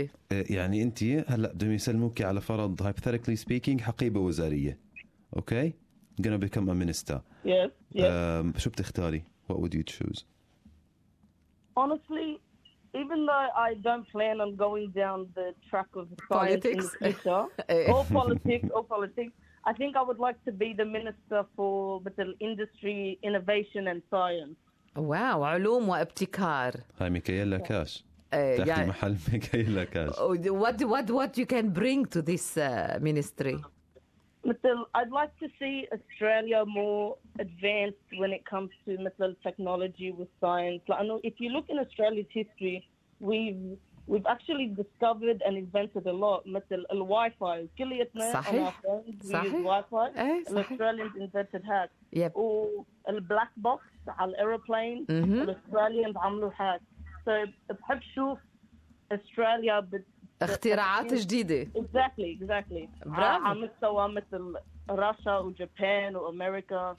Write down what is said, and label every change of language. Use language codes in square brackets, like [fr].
[ar] يعني أنت هلا بدهم يسلموك على فرض [en] hypothetically speaking [ar] حقيبة وزارية. [en] Okay, gonna become a minister. Yes. [ar] شو بتختاري؟ [en] What would you choose? Honestly, even though I don't plan on going down the track of politics in the future, or politics, I think I would like to be the minister for industry, innovation and science. [ar] Wow, علوم وابتكار. هاي ميكايلا كاش. تحت محل ميكايلا كاش. [en] What you can bring to this ministry? I'd like to see Australia more advanced when it comes to [ar] مثل [en] technology with science. Like, I know if you look in Australia's history, we've actually discovered and invented a lot. [ar] مثل [en] the Wi-Fi. [ar] كلية ما [en] on our phones, we use Wi-Fi. The Australians invented hat. Yep. Or the black box [ar] على [en] aeroplane. The Australians [ar] عملوا [en] hat. So [ar] بحب شوف Australia [en] but [ar] اختراعات جديدة. [en] Exactly. [ar] برافو. عم تسوى مثل روسيا وجابان وامريكا.